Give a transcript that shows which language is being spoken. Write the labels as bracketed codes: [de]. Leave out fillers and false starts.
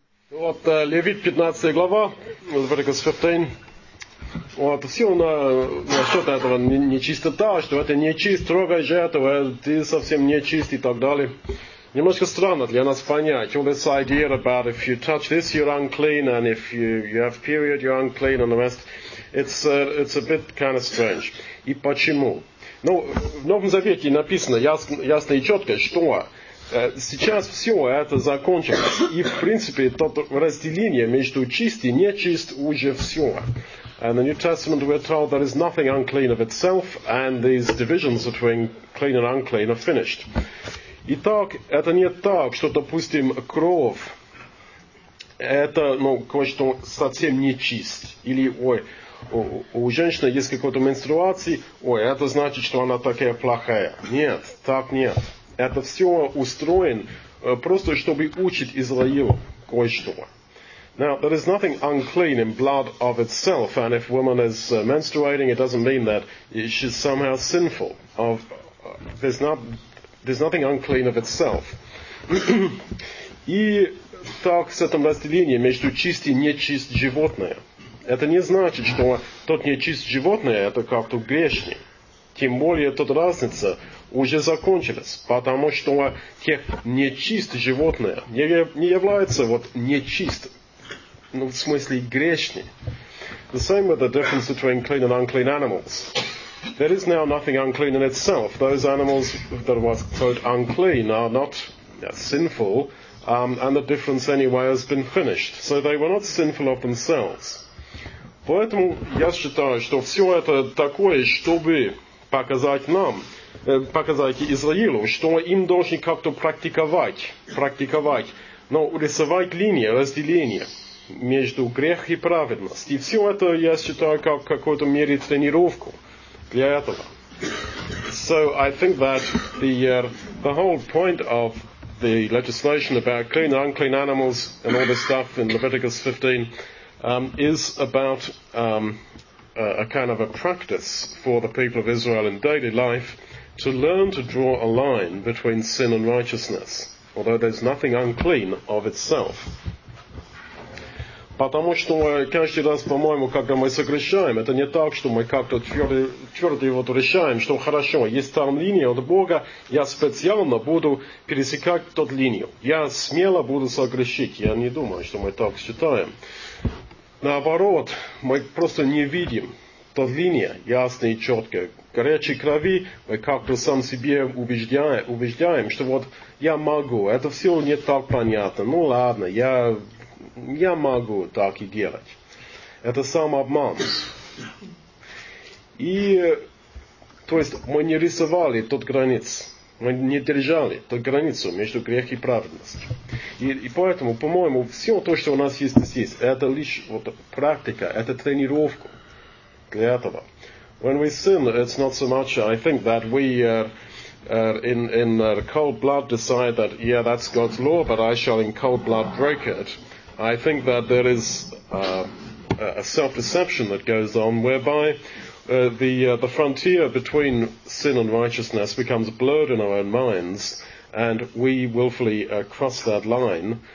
[ru] Вот Левит, 15 глава, Левитика 15. Вот, все у нас насчет этого нечистота, что это нечист, трогай же этого, ты совсем нечист и так далее. Немножко странно для нас понять. [en] All this idea about if you touch this, you're unclean, and if you have period, you're unclean, and the rest. It's a bit kind of strange. [ru] И почему? Ну, в Новом Завете написано ясно и четко, что сейчас все это закончилось. И, в принципе, то разделение между чист и нечист уже все. [en] In the New Testament we're told there is nothing unclean of itself, and these divisions between clean and unclean are finished. [ru] Итак, это не так, что, допустим, кровь, это, ну, кое-что совсем нечист. Или, ой, у женщины есть какая-то менструация, ой, это значит, что она такая плохая. Нет, так нет. Это все устроено просто, чтобы учить Израилу кое-что. [en] Now, there is nothing unclean in blood of itself, and if a woman is menstruating, it doesn't mean that she's somehow sinful. There's nothing unclean of itself. [ru] И так с этим разделением между чист и нечист животное. Это не значит, что тот нечист животное, это как-то грешник. Тем более, тут разница уже закончилась, потому что те нечист животное не является вот нечист, ну, в смысле грешник. [en] The same with the difference between clean and unclean animals. There is now nothing unclean in itself. Those animals that were quote unclean are not sinful, and the difference anyway has been finished. So they were not sinful of themselves. [ru] Поэтому я считаю, что все это такое, чтобы показать нам, показать Израилю, что им должны как-то практиковать, но рисовать линии, разделения между грех и праведность. И все это, я считаю, как в какой-то мере тренировку для этого. [en] So I think that the whole point of the legislation about clean and unclean animals and all this stuff in Leviticus 15 is about a kind of a practice for the people of Israel in daily life to learn to draw a line between sin and righteousness, although there's nothing unclean of itself. [ru] Потому что каждый раз, по-моему, когда мы согрешаем, это не так, что мы как-то твердо вот решаем, что хорошо, есть там линия от Бога, я специально буду пересекать тот линию. Я смело буду согрешить. Я не думаю, что мы так считаем. Наоборот, мы просто не видим тот линия ясно и четко. Горячей крови мы как-то сам себе убеждаем, что вот я могу, это все не так понятно. Ну ладно, я могу так и делать. Это самообман. И, то есть, мы не рисовали тот границ. Мы не держали ту границу между грехом и праведностью. И поэтому, по-моему, все то, что у нас есть здесь, это лишь вот практика, это тренировка для этого. [en] When we sin, it's not so much, I think, that we in cold blood decide that, yeah, that's God's law, but I shall in cold blood break it. I think that there is a self-deception that goes on, whereby the frontier between sin and righteousness becomes blurred in our own minds, and we willfully cross that line.